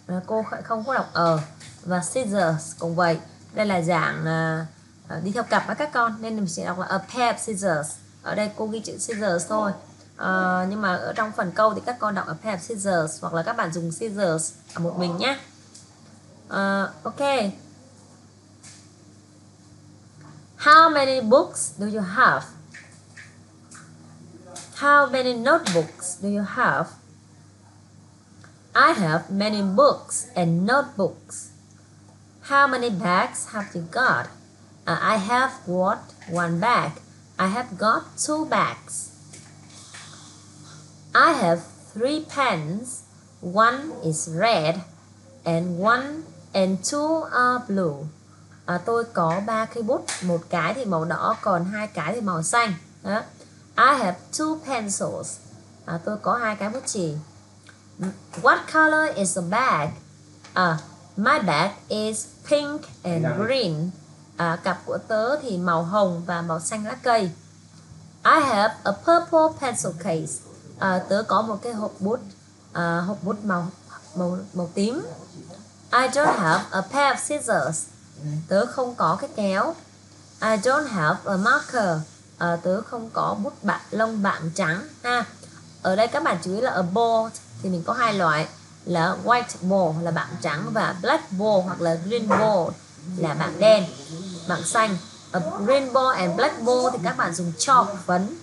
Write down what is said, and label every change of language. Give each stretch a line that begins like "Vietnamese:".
Vietnamese: Cô không có đọc ờ. Và scissors cũng vậy. Đây là dạng đi theo cặp các con. Nên mình sẽ đọc là
English: a pair of scissors.
Vietnamese: Ở đây cô ghi chữ scissors thôi. Nhưng mà ở trong phần câu thì các con đọc
English: a pair of scissors.
Vietnamese: Hoặc là các bạn dùng scissors một mình nhé.
English: Ok. How many books do you have? How many notebooks do you have? I have many books and notebooks. How many bags have you got? I have what? One bag. I have got two bags. I have three pens. One is red and one and two are blue.
Vietnamese: Tôi có 3 cây bút, một cái thì màu đỏ, còn hai cái thì màu xanh.
English: I have two pencils.
Vietnamese: Tôi có hai cái bút chì.
English: What color is the bag? My bag is pink and green.
Vietnamese: Cặp của tớ thì màu hồng và màu xanh lá cây.
English: I have a purple pencil case.
Vietnamese: Tớ có một cái hộp bút màu tím.
English: I don't have a pair of scissors.
Vietnamese: Tớ không có cái kéo.
English: I don't have a marker.
Vietnamese: Tớ không có bút bạc lông bạc trắng ha. Ở đây các bạn chú ý là a board thì mình có hai loại, là white board là bạc trắng và black board hoặc là green board là bạc đen, bạc xanh.
English: A green board and black board
Vietnamese: thì các bạn dùng chalk phấn.